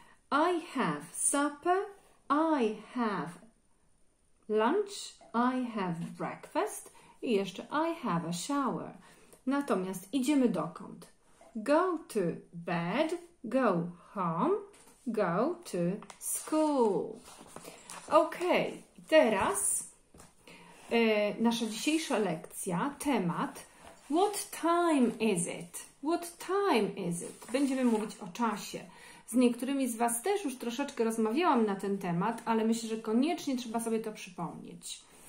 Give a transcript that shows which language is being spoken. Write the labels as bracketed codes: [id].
[en] I have supper, I have lunch, I have breakfast [pl] i jeszcze [en] I have a shower. [pl] Natomiast idziemy dokąd? [en] Go to bed, go home, go to school. [pl] Ok, teraz nasza dzisiejsza lekcja, temat [en] What time is it? What time is it? [pl] Będziemy mówić o czasie. Z niektórymi z Was też już troszeczkę rozmawiałam na ten temat, ale myślę, że koniecznie trzeba sobie to przypomnieć.